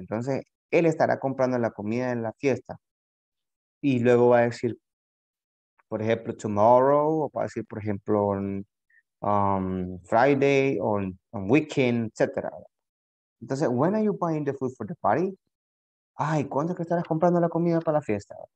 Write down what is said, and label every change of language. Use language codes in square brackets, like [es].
[es] Entonces, él estará comprando la comida en la fiesta. Y luego va a decir, por ejemplo, tomorrow, o va a decir, por ejemplo, [en] Friday, on weekend, [es] etc. Entonces, [en] when are you buying the food for the party? [es] Ay, ¿cuándo es que estarás comprando la comida para la fiesta?